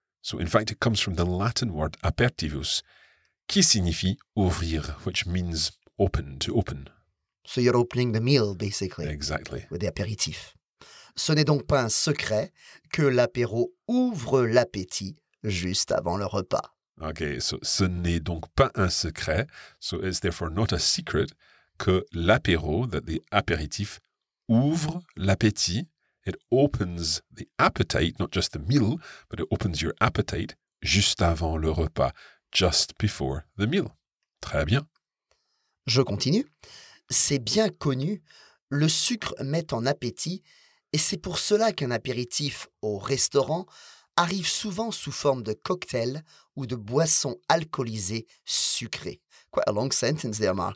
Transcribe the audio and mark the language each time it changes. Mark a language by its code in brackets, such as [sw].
[en] So in fact, it comes from the Latin word apertivus, [fr] qui signifie ouvrir, [en] which means open, to open. So you're opening the meal, basically. Exactly. With the apéritif. [fr] Ce n'est donc pas un secret que l'apéro ouvre l'appétit juste avant le repas. [en] Okay, so [fr] ce n'est donc pas un secret. [en] So it's therefore not a secret [fr] que l'apéro, [en] that the apéritif, [fr] ouvre l'appétit [en] It opens the appetite, not just the meal, but it opens your appetite [fr] juste avant le repas, [en] just before the meal. [fr] Très bien. Je continue. C'est bien connu, le sucre met en appétit et c'est pour cela qu'un apéritif au restaurant arrive souvent sous forme de cocktail ou de boisson alcoolisée sucrée. [en] Quite a long sentence there, Mark.